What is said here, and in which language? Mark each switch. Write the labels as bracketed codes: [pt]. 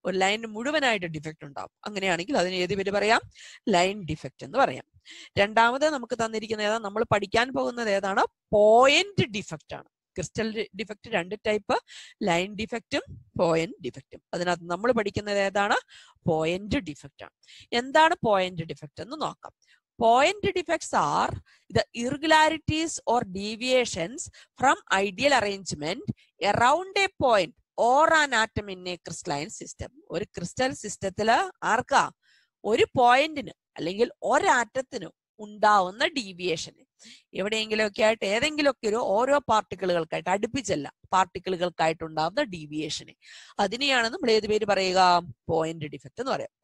[ml] ഒരു ലൈൻ മുഴുവനായിട്ട് ഡിഫക്റ്റ് ഉണ്ടാവും. അങ്ങനെയാണെങ്കിൽ അതിന് ഏത് പേര് പറയാം, ലൈൻ ഡിഫക്റ്റ് എന്ന് പറയാം. രണ്ടാമത് നമുക്ക് തന്നിരിക്കുന്ന ഏതാണ്, നമ്മൾ പഠിക്കാൻ പോകുന്നത് ഏതാണ്, പോയിന്റ് ഡിഫക്റ്റ് ആണ്. ക്രിസ്റ്റൽ ഡിഫക്റ്റ് രണ്ട് ടൈപ്പ്, ലൈൻ ഡിഫക്റ്റും പോയിന്റ് ഡിഫക്റ്റും. അതിനകത്ത് നമ്മൾ പഠിക്കുന്നത് ഏതാണ്, പോയിന്റ് ഡിഫക്റ്റ് ആണ്. എന്താണ് പോയിന്റ് ഡിഫക്റ്റ് എന്ന് നോക്കാം. [en] Point defects are the irregularities or deviations from ideal arrangement around a point or an atom in a crystalline system. [ml] ഒരു ക്രിസ്റ്റൽ സിസ്റ്റത്തില് ആർക്കാ, ഒരു പോയിന്റിന് അല്ലെങ്കിൽ ഒരാറ്റത്തിന് ഉണ്ടാവുന്ന ഡീവിയേഷന്, എവിടെയെങ്കിലും ഒക്കെ ആയിട്ട് ഏതെങ്കിലുമൊക്കെ ഒരു ഓരോ പാർട്ടിക്കിളുകൾക്കായിട്ട്, അടുപ്പിച്ചല്ല, പാർട്ടിക്കിളുകൾക്കായിട്ടുണ്ടാവുന്ന ഡീവിയേഷന്, അതിനെയാണ് നമ്മൾ ഏത് പേര് പറയുക, പോയിന്റ് ഡിഫക്റ്റ് എന്ന് പറയാം.